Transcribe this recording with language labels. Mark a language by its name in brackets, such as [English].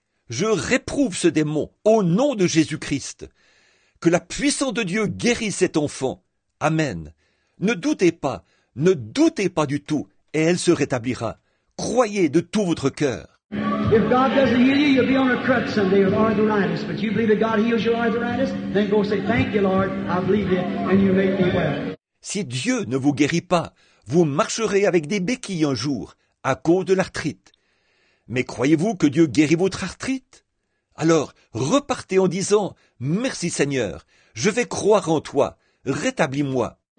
[French] Je réprouve ce démon au nom de Jésus-Christ. Que la puissance de Dieu guérisse cet enfant. Amen. Ne doutez pas du tout et elle se rétablira. Croyez de tout votre cœur. [English] If God doesn't heal you, you'll be on a crutch someday with arthritis. But you believe that God heals your arthritis? Then go say, thank you, Lord, I believe it, and you make me well. [French] Si Dieu ne vous guérit pas, vous marcherez avec des béquilles un jour à cause de l'arthrite. Mais croyez-vous que Dieu guérit votre arthrite? Alors repartez en disant, merci Seigneur, je vais croire en toi, rétablis-moi.